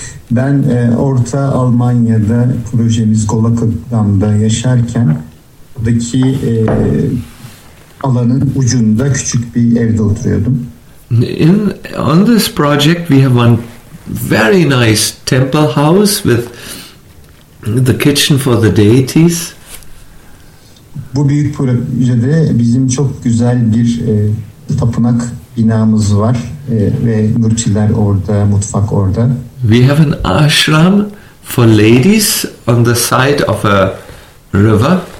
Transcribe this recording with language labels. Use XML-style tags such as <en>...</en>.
<tr>Ben Orta Almanya'da projemiz Golokadam'da yaşarken buradaki alanın ucunda küçük bir evde oturuyordum.</tr> <en>On this project we have one very nice temple house with the kitchen for the deities.</en> <tr>Bu büyük projede bizim çok güzel bir tapınak binamız var ve mürşitler orada, mutfak orada.</tr> <en>We have an ashram for ladies on the side of a river.</en>